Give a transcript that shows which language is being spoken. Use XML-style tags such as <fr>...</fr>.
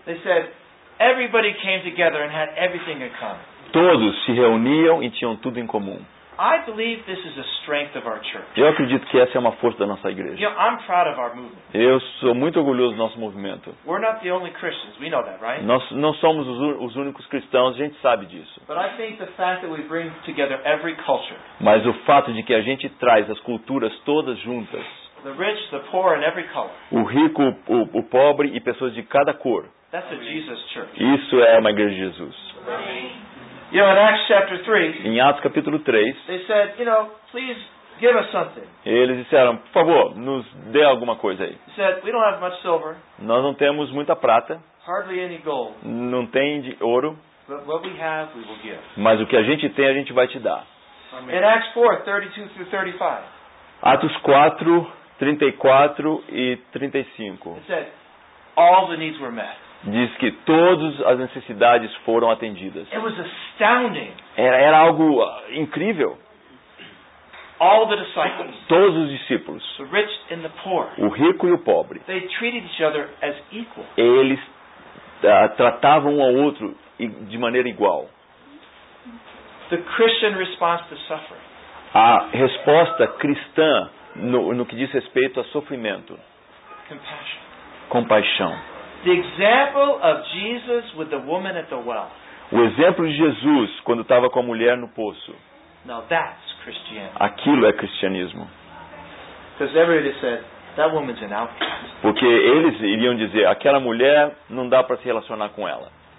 <en>They said everybody came together and had everything in common.</en> <pt>Todos se reuniam e tinham tudo em comum.</pt> <en>I believe this is a strength of our church.</en> <pt>Eu acredito que essa é uma força da nossa igreja.</pt> <en>You know, I'm proud of our movement.</en> <pt>Eu sou muito orgulhoso do nosso movimento.</pt> <en>We're not the only Christians. We know that, right?</en> <pt>Nós não somos os únicos cristãos, a gente sabe disso.</pt> <en>But I think the fact that we bring together every culture.</en> <pt>Mas o fato de que a gente traz as culturas todas juntas.</pt> <en>The rich, the poor, and every color.</en> <pt>O rico, o pobre e pessoas de cada cor.</pt> <en>That's a Jesus church.</en> <pt>Isso é uma igreja de Jesus.</pt> <en>Amém. You know, in Acts chapter 3,</en> <pt>em Atos capítulo 3,</pt> <en>they said, you know, please give us something.</en> <pt>Eles disseram, por favor, nos dê alguma coisa aí.</pt> <en>They said, we don't have much silver.</en> <pt>Nós não temos muita prata.</pt> <en>Hardly any gold.</en> <pt>Não tem de ouro.</pt> <en>But what we have, we will give.</en> <pt>Mas o que a gente tem, a gente vai te dar.</pt> <en>In Acts 4, 32 through 35.</en> <pt>Atos 4, 34 e 35.</pt> <en>They said, all the needs were met.</en> <pt>Diz que todas as necessidades foram atendidas.</pt> <en>It was astounding.</en> <pt>Era algo incrível.</pt> <en>All the disciples,</en> <pt>todos os discípulos,</pt> <en>the rich and the poor,</en> <pt>o rico e o pobre,</pt> <en>they treated each other as equal.</en> <pt>Eles tratavam um ao outro de maneira igual.</pt> <en>The Christian response to suffering.</en> <pt>A resposta cristã no que diz respeito a sofrimento. Compaixão.</pt> <en>The example of Jesus with the woman at the well.</en> <pt>O exemplo de Jesus quando estava com a mulher no poço.</pt> <en>Now that's Christianity.</en> <pt>Aquilo é cristianismo.</pt> <en>Because everybody said that woman's an outcast.</en> <pt>Porque eles iriam dizer, aquela mulher não dá para se relacionar com ela.</pt>